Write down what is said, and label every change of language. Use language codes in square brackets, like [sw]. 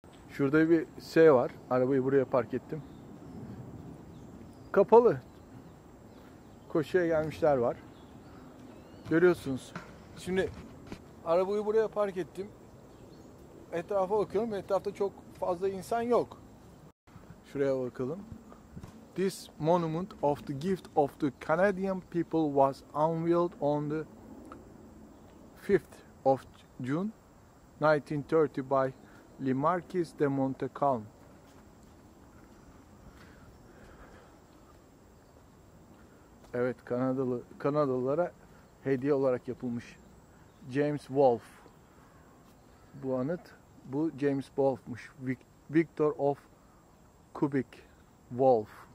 [tr] Şurada bir şey var. Arabayı buraya park ettim. Kapalı. Koşuya gelmişler var. Görüyorsunuz. Şimdi arabayı buraya park ettim. Etrafa bakıyorum. Etrafta çok fazla insan yok. Şuraya bakalım. [en] This monument of the gift of the Canadian people was unveiled on the 5th of June 1930 by Le Marquis de Montcalm. [tr] Evet, Kanadalılara hediye olarak yapılmış. James Wolfe. Bu anıt, bu James Wolfe'muş. [en] Victor of Quebec [tr] Wolfe.